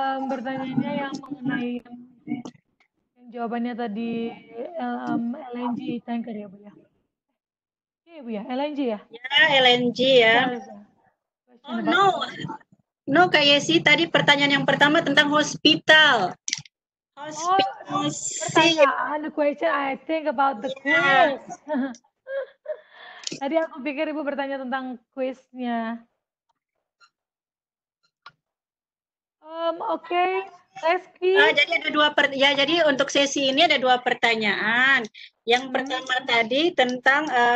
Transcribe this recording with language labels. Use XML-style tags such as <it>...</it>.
<id>Pertanyaannya yang mengenai yang jawabannya tadi LNG tanker ya, Bu, ya? Oke, Bu, ya? LNG ya? Ya, LNG ya.</id> <en>Oh, no. No,</en> <id>Kak Yesi. Tadi pertanyaan yang pertama tentang hospital. Pertanyaan,</id> <en>the question I think about the quiz. Yes.</en> <id>Tadi aku pikir Ibu bertanya tentang quiznya. Oke, okay. Reski. Jadi ada dua jadi untuk sesi ini ada dua pertanyaan. Yang pertama tadi tentang</id>